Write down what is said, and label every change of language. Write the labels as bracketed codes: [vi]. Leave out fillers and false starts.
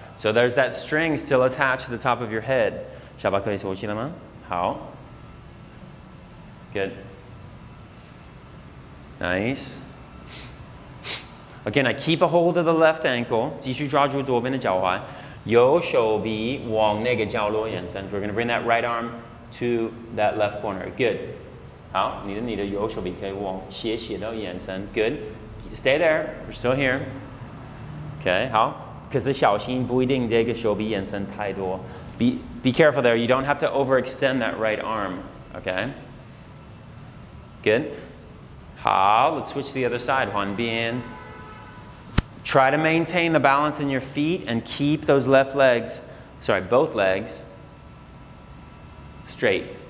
[en] So there's that string still attached to the top of your head。 [zh] 下巴可以收起了吗？好 ，Good。 [en] Nice. Again, I keep a hold of the left ankle. [zh] 继续抓住左边的脚踝，右手臂往那个角落延伸。 [en] We're going to bring that right arm to that left corner. Good. [zh] 好，你的右手臂可以往斜斜的延伸。 [en] Good. Stay there. We're still here. Okay. [zh] 好，可是小心不一定这个手臂延伸太多。 [en] Be careful there. You don't have to overextend that right arm. Okay. Good. 好, let's switch to the other side, [zh] 换边. [en] Try to maintain the balance in your feet and keep those left legs, sorry, both legs straight.